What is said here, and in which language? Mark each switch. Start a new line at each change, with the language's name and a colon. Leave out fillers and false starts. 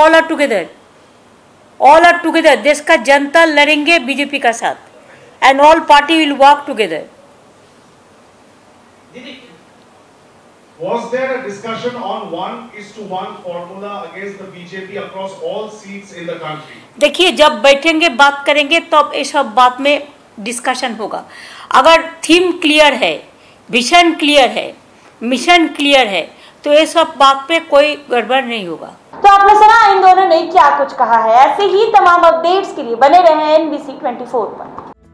English: all are together, all are together,
Hindi: দেশ কা জনতা লড়েঙ্গে BJP কা সাথ,
English: And all party will work together. Was there a discussion on 1:1 formula against the BJP across all seats in the country?
Hindi: देखिए, जब बैठेंगे बात करेंगे तब ये सब बात में डिस्कशन होगा। अगर थीम क्लियर है, विजन क्लियर है, मिशन क्लियर है, तो ये सब बात पे कोई गड़बड़ नहीं होगा। तो आपने सुना इन दोनों ने क्या कुछ कहा है। ऐसे ही तमाम अपडेट्स के लिए बने रहे NBC 24 पर।